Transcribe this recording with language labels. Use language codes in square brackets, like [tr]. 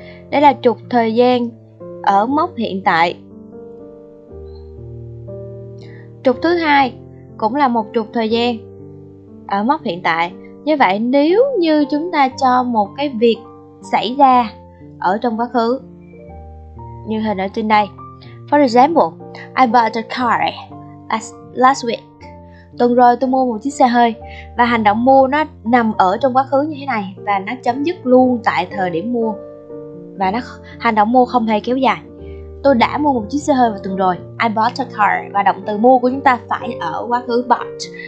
[vi] Đây là trục thời gian ở mốc hiện tại. Trục thứ hai cũng là một trục thời gian ở mốc hiện tại. Như vậy nếu như chúng ta cho một cái việc xảy ra ở trong quá khứ như hình ở trên đây. [en] For example, I bought a car last week. [vi] Tuần rồi tôi mua một chiếc xe hơi. Và hành động mua nó nằm ở trong quá khứ như thế này, và nó chấm dứt luôn tại thời điểm mua, và nó hành động mua không hề kéo dài. Tôi đã mua một chiếc xe hơi vào tuần rồi. [en] I bought a car. [vi] Và động từ mua của chúng ta phải ở quá khứ bought.